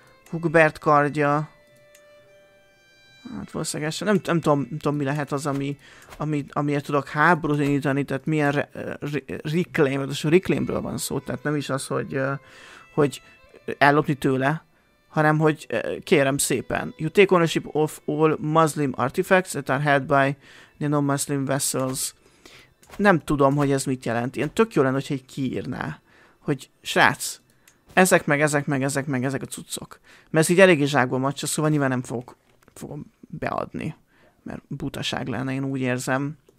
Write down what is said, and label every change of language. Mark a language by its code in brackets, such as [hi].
[hu] Hugbert kardja. Hát valószínűleg ez sem. Nem tudom, mi lehet az, amiért tudok háborút indítani, tehát milyen reclaim, mert a reclaimről van szó, tehát nem is az, hogy ellopni tőle, hanem hogy kérem szépen. [en] You take ownership of all Muslim artifacts that are held by the non-Muslim vessels. [hu] Nem tudom, hogy ez mit jelent. Ilyen tök jó lenne, hogyha egy kiírná, hogy srác, ezek a cuccok. Mert ez így eléggé zsákba macsa, szóval nyilván nem fogom beadni, mert butaság lenne, én úgy érzem.